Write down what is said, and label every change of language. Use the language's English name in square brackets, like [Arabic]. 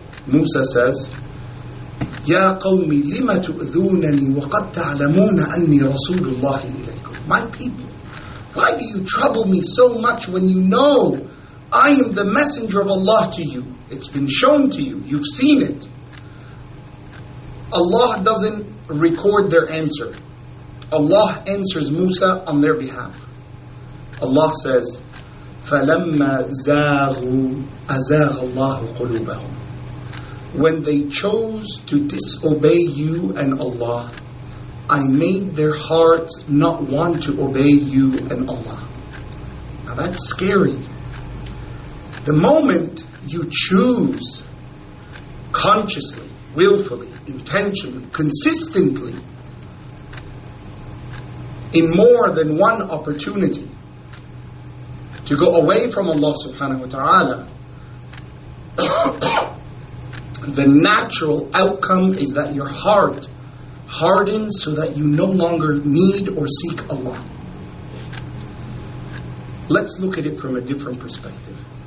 [English] Musa says, [Arabic] يا قومي لما تؤذونني وقد تعلمون أني رسول الله إليكم. [English] My people, why do you trouble me so much when you know I am the messenger of Allah to you? It's been shown to you. You've seen it. Allah doesn't record their answer. Allah answers Musa on their behalf. Allah says, [Arabic] فَلَمَّا زَاغُوا أَزَاغَ اللَّهُ قُلُوبَهُمْ. [English] When they chose to disobey you and Allah, I made their hearts not want to obey you and Allah. Now that's scary. The moment you choose consciously, willfully, intentionally, consistently, in more than one opportunity, to go away from Allah subhanahu wa ta'ala, the natural outcome is that your heart harden so that you no longer need or seek Allah. Let's look at it from a different perspective.